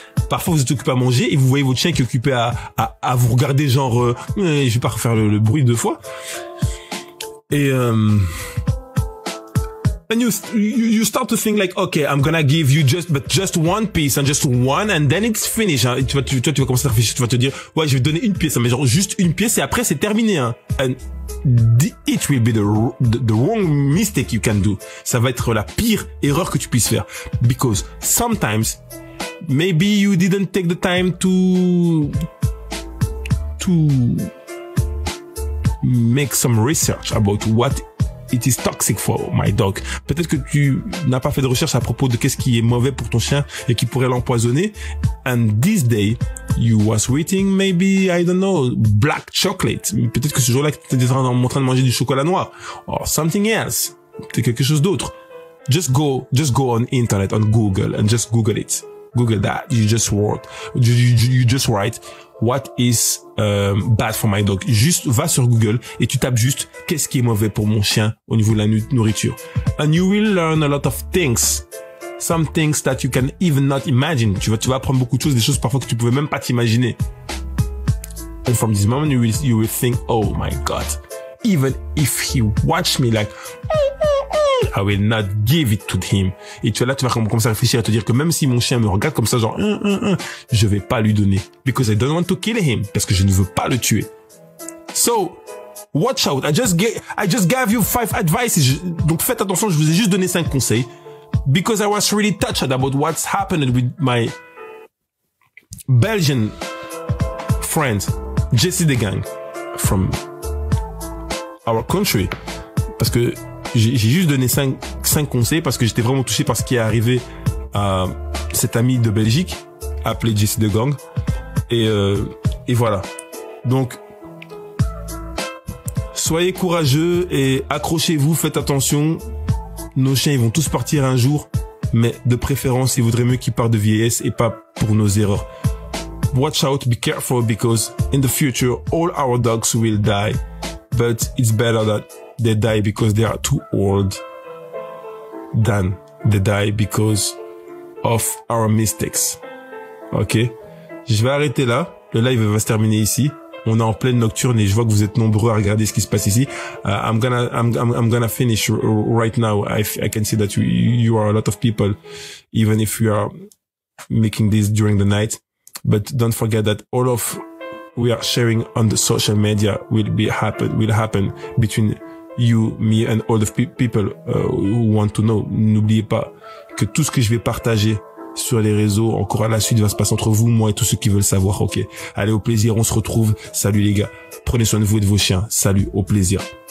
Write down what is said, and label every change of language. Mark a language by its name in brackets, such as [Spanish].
[French] Parfois, vous êtes occupé à manger et vous voyez votre chien qui est occupé à vous regarder genre... je vais pas refaire le bruit deux fois. Et... [English] And you start to think like, okay, I'm gonna give you just one piece and just one and then it's finished. [French] Et tu vas commencer à réfléchir, tu vas te dire, ouais, je vais donner une pièce, mais genre juste une pièce et après c'est terminé. Hein. [English] And it will be the wrong mistake you can do. [French] Ça va être la pire erreur que tu puisses faire. [English] Because sometimes, maybe you didn't take the time to make some research about what it is toxic for my dog. [French] Peut-être que tu n'as pas fait de recherche à propos de qu'est-ce qui est mauvais pour ton chien et qui pourrait l'empoisonner. [English] And this day, you was eating maybe, I don't know, black chocolate. [French] Peut-être que ce jour-là, tu étais en train de manger du chocolat noir. [English] Or something else. [French] C'est quelque chose d'autre. [English] Just go on internet, on Google, and just Google it. Google that. You just write. What is bad for my dog? [French] Juste va sur Google et tu tapes juste qu'est-ce qui est mauvais pour mon chien au niveau de la nourriture. [English] And you will learn a lot of things. Some things that you can even not imagine. [French] Tu vas apprendre beaucoup de choses, des choses parfois que tu pouvais même pas t'imaginer. [English] And from this moment you will think, oh my god. Even if he watch me like I will not give it to him. [French] Et tu vois, là, tu vas commencer à réfléchir et te dire que même si mon chien me regarde comme ça, genre, je vais pas lui donner. [English] Because I don't want to kill him. [French] Parce que je ne veux pas le tuer. [English] So, watch out. I just gave you 5 advices. [French] Donc, faites attention, je vous ai juste donné 5 conseils. [English] Because I was really touched about what's happened with my Belgian friend, Jesse Degang, from our country. [French] Parce que, j'ai juste donné cinq conseils parce que j'étais vraiment touché par ce qui est arrivé à cet ami de Belgique appelé Jesse de Gang. Et voilà. Donc, soyez courageux et accrochez-vous, faites attention. Nos chiens, ils vont tous partir un jour, mais de préférence, il vaudrait mieux qu'ils partent de vieillesse et pas pour nos erreurs. [English] Watch out, be careful, because in the future, all our dogs will die. But it's better that they die because they are too old than they die because of our mistakes. [French] Ok, je vais arrêter là. Le live va se terminer ici. On est en pleine nocturne et je vois que vous êtes nombreux à regarder ce qui se passe ici. [English] I'm gonna finish right now. I can see that you are a lot of people, even if you are making this during the night. But don't forget that all of we are sharing on the social media will happen between you, me and all the people who want to know. [French] N'oubliez pas que tout ce que je vais partager sur les réseaux, encore à la suite, va se passer entre vous, moi et tous ceux qui veulent savoir. Ok, allez, au plaisir, on se retrouve. Salut les gars, prenez soin de vous et de vos chiens. Salut, au plaisir.